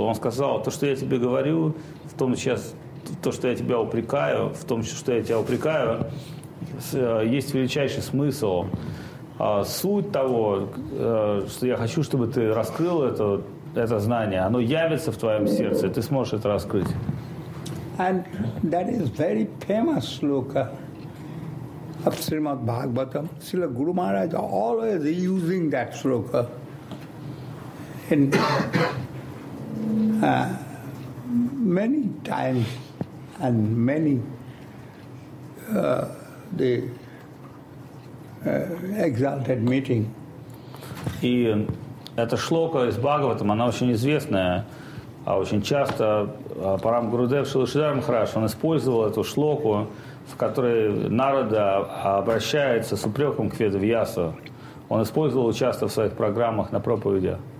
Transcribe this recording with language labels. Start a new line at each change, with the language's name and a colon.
Russian: Он сказал, то, что я тебе говорю, в том сейчас, то, что я тебя упрекаю, в том, что я тебя упрекаю, есть величайший смысл. Суть того, что я хочу, чтобы ты раскрыл это знание, оно явится в твоем сердце, ты сможешь это раскрыть.
English: And that is very famous sloka of Srimad Bhagavatam. Srila Guru Maharaj is always using that sloka in many times and many exalted meeting.
Russian: И эта шлока из Бхагаватам, она очень известная. А очень часто Парам Гурудев Шрила Шридхар Махарадж, он использовал эту шлоку, в которой Нарада обращается с упреком к Ведавьясу. Он использовал ее часто в своих программах на проповеди.